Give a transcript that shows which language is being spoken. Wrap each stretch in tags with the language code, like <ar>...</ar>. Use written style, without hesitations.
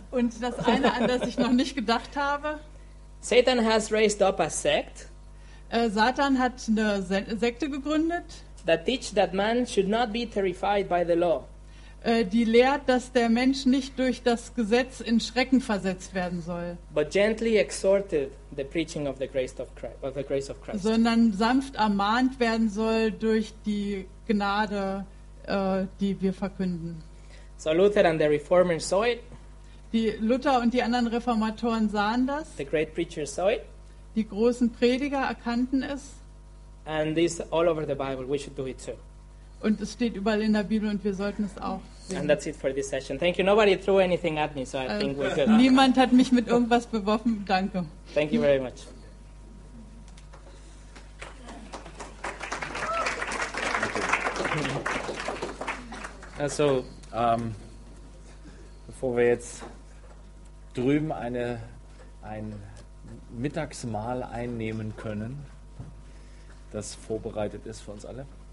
<de>Und das eine, an das ich noch nicht gedacht habe.</de> <en>Satan has raised up a sect.</en> <de>Satan hat eine Sekte gegründet.</de> <en>That teach that man should not be terrified by the law.</en> <de>Die lehrt, dass der Mensch nicht durch das Gesetz in Schrecken versetzt werden soll.</de> <en>But gently exhorted the preaching of the grace of Christ, of the grace of Christ.</en> <de>Sondern sanft ermahnt werden soll durch die Gnade, die wir verkünden.</de> <en>So Luther and the reformers saw it.</en> <de>Die Luther und die anderen Reformatoren sahen das.</de> <en>The great preachers saw it.</en> <de>Die großen Prediger erkannten es.</de> <en>And this all over the Bible. We should do it too.</en> <de>Und es steht überall in der Bibel und wir sollten es auch sehen.</de> <en>And that's it for this session. Thank you. Nobody threw anything at me, so I think we're good.</en> <de>Niemand hat mich mit irgendwas beworfen. Danke.</de> <en>Thank you very much.</en> <de>Also, bevor wir jetzt drüben ein Mittagsmahl einnehmen können, das vorbereitet ist für uns alle,</de>